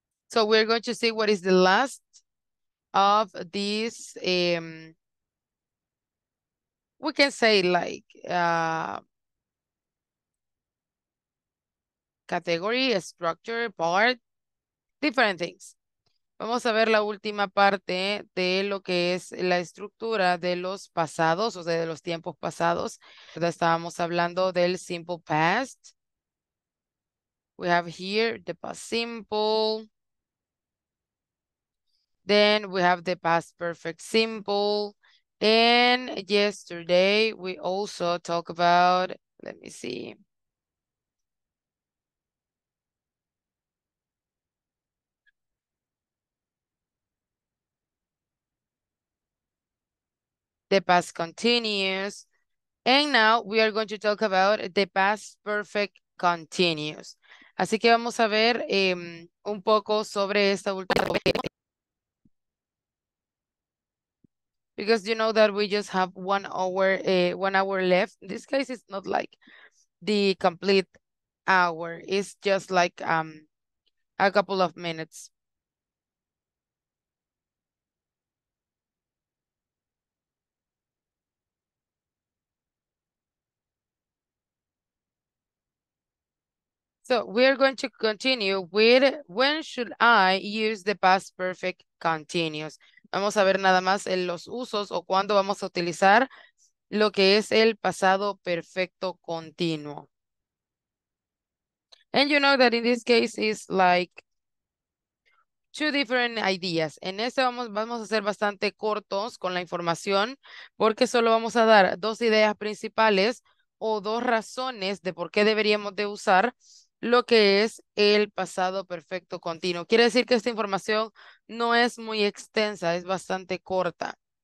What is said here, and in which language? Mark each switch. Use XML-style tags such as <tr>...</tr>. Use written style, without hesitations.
<en>So we're going to see what is the last of these, we can say like category, structure, part, different things.</en> <es>Vamos a ver la última parte de lo que es la estructura de los pasados, o sea, de los tiempos pasados. Estábamos hablando del simple past.</es> <en>We have here the past simple. Then we have the past perfect simple. And yesterday we also talked about, let me see. The past continuous. And now we are going to talk about the past perfect continuous.</en> <es>Así que vamos a ver un poco sobre esta última.</es> <en>Because you know that we just have 1 hour, 1 hour left. In this case, it's not like the complete hour. It's just like a couple of minutes. So we are going to continue with when should I use the past perfect continuous.</en> <es>Vamos a ver nada más en los usos o cuándo vamos a utilizar lo que es el pasado perfecto continuo.</es> <en>And you know that in this case is like two different ideas.</en> <es>En este vamos a ser bastante cortos con la información porque solo vamos a dar dos ideas principales o dos razones de por qué deberíamos de usar lo que es el pasado perfecto continuo. Quiere decir que esta información no es muy extensa, es bastante corta.</es>